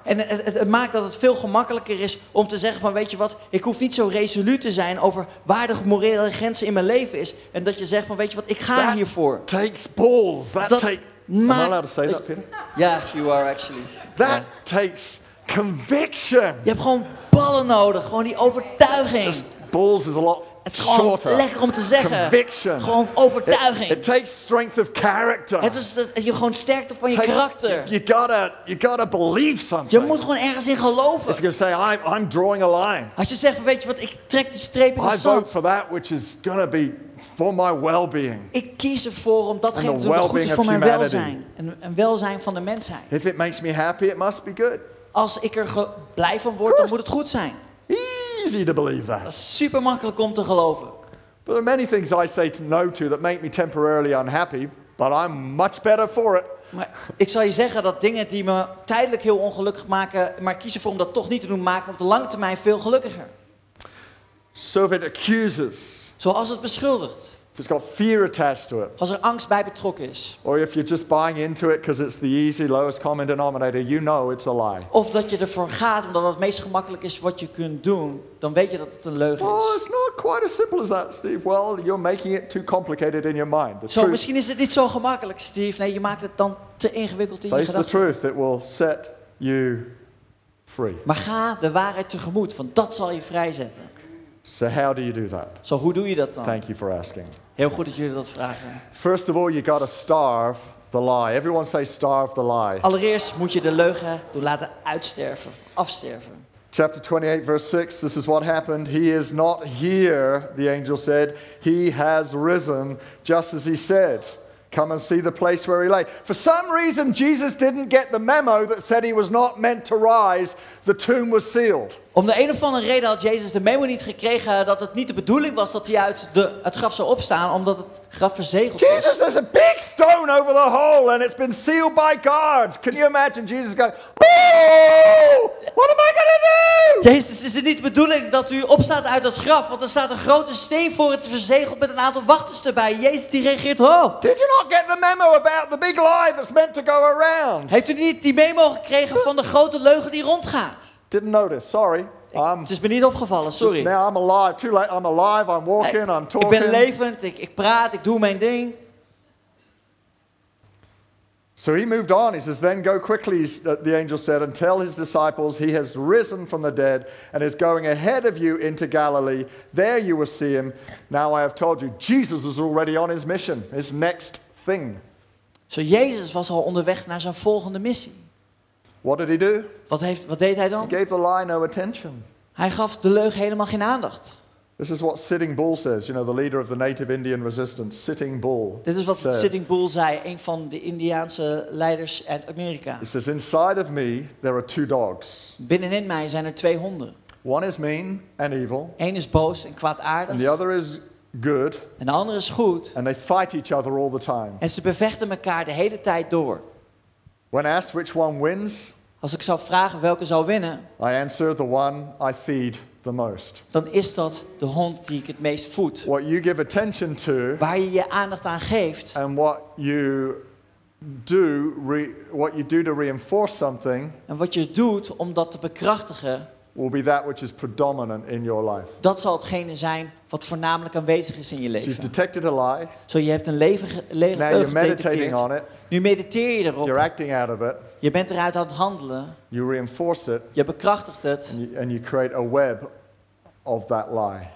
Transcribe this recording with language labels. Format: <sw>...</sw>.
<nl>En het maakt dat het veel gemakkelijker is om te zeggen van, weet je wat? Ik hoef niet zo resoluut te zijn over waar de morele grens in mijn leven is en dat je zegt van, weet je wat, ik ga</nl> <en>that</en> <nl>hiervoor.</nl> <en>Takes balls. That take. Am I allowed to say that, Peter? Yes, you are actually. That takes conviction.</en> <nl>Je hebt gewoon ballen nodig, gewoon die overtuiging.</nl> <en>Just balls is a lot shorter.</en> <nl>Het is gewoon</nl> <en>shorter.</en> <nl>Lekker om te zeggen.</nl> <en>Conviction.</en> <nl>Gewoon overtuiging.</nl> <en>It takes strength of character.</en> <nl>Het is je gewoon sterkte van je karakter.</nl> <en>You gotta believe something.</en> <nl>Je moet gewoon ergens in geloven.</nl> <en>If you say I'm drawing a line.</en> <nl>Als je zegt van, weet je wat, ik trek de streep in de zand.</nl> <en>I vote for that which is gonna be for my well-being.</en> <nl>Ik kies ervoor om datgene te doen wat goed is voor mijn welzijn. En welzijn van de mensheid.</nl> <en>If it makes me happy, it must be good.</en> <nl>Als ik er blij van word, dan moet het goed zijn.</nl> <en>Easy to believe that.</en> <nl>Dat is super makkelijk om te geloven.</nl> <en>But there are many things I say no to that make me temporarily unhappy, but I'm much better for it.</en> <nl>Maar ik zal je zeggen dat dingen die me tijdelijk heel ongelukkig maken, maar kiezen voor om dat toch niet te doen, maken me op de lange termijn veel gelukkiger.</nl> <en>So if it accuses.</en> <nl>Zoals het beschuldigt.</nl> <en>If it's got fear attached to it.</en> <nl>Als er angst bij betrokken is.</nl> <en>Or if you're just buying into it because it's the easy, lowest common denominator, you know it's a lie.</en> <nl>Of dat je ervoor gaat omdat het meest gemakkelijk is wat je kunt doen, dan weet je dat het een leugen is.</nl> <en>Well, it's not quite as simple as that, Steve. Well, you're making it too complicated in your mind.</en> <nl>Zo, misschien is het niet zo gemakkelijk, Steve. Nee, je maakt het dan te ingewikkeld in</nl> <en>face</en> <nl>je gedachten.</nl> <en>Face the truth, it will set you free.</en> <nl>Maar ga de waarheid tegemoet, want dat zal je vrijzetten.</nl> <en>So how do you do that?</en> <nl>Zo, hoe doe je dat dan?</nl> <en>Thank you for asking.</en> <nl>Heel goed dat jullie dat vragen.</nl> <en>First of all, you got to starve the lie. Everyone say starve the lie.</en> <nl>Allereerst moet je de leugen doen laten uitsterven, afsterven.</nl> <en>Chapter 28, verse 6, this is what happened. He is not here, the angel said. He has risen, just as he said. Come and see the place where he lay. For some reason, Jesus didn't get the memo that said he was not meant to rise. The tomb was sealed.</en> <nl>Om de een of andere reden had Jezus de memo niet gekregen dat het niet de bedoeling was dat hij uit het graf zou opstaan, omdat het graf verzegeld was.</nl> <en>Jesus, there's a big stone over the hole and it's been sealed by guards. Can you imagine Jesus going, oh, what am I going to do?</en> <nl>Jezus, is het niet de bedoeling dat u opstaat uit het graf, want er staat een grote steen voor het verzegeld met een aantal wachters erbij. Jezus, die reageert, oh.</nl> <en>Did you not get the memo about the big lie that's meant to go around?</en> <nl>Heeft u niet die memo gekregen van de grote leugen die rondgaat?</nl> <en>Didn't notice. Sorry.</en> <nl>Het is me niet opgevallen. Sorry.</nl> <en>Now I'm alive. Too late. I'm alive. I'm walking. I'm talking.</en> <nl>Ik ben levend. Ik praat. Ik doe mijn ding.</nl> <en>So he moved on. He says, "Then go quickly," the angel said, "and tell his disciples he has risen from the dead and is going ahead of you into Galilee. There you will see him. Now I have told you." Jesus was already on his mission. His next thing.</en> <nl>So Jezus was al onderweg naar zijn volgende missie.</nl> <en>What did he do?</en> <nl>Wat deed hij dan?</nl> <en>He gave the lie no attention.</en> <nl>Hij gaf de leugen helemaal geen aandacht.</nl> <en>This is what Sitting Bull says, you know, the leader of the Native Indian resistance, Sitting Bull.</en> <nl>Dit is wat Sitting Bull zei, een van de Indiaanse leiders uit Amerika.</nl> <en>He says, inside of me there are two dogs.</en> <nl>Binnenin mij zijn er twee honden.</nl> <en>One is mean and evil.</en> <nl>Eén is boos en kwaadaardig.</nl> <en>And the other is good.</en> <nl>En de andere is goed.</nl> <en>And they fight each other all the time.</en> <nl>En ze bevechten elkaar de hele tijd door.</nl> <en>When asked which one wins,</en> <nl>als ik zou vragen welke zou winnen,</nl> <en>I answer the one I feed the most.</en> <nl>Dan is dat de hond die ik het meest voed.</nl> <en>What you give attention to,</en> <nl>waar je je aandacht aan geeft,</nl> <en>and what you do to reinforce something,</en> <nl>en wat je doet om dat te bekrachtigen,</nl> <en>will be that which is predominant in your life.</en> <nl>Dat zal hetgene zijn wat voornamelijk aanwezig is in je leven.</nl> <en>So you've detected a lie.</en> <nl>So je hebt een leugen</nl> <en>now you're meditating on it.</en> <nl>Nu mediteer je erop.</nl> <en>You're acting out of it.</en> <nl>Je bent eruit aan het handelen.</nl> <en>You reinforce it.</en> <nl>Je bekrachtigt het.</nl> <en>And you create a web of that lie.</en>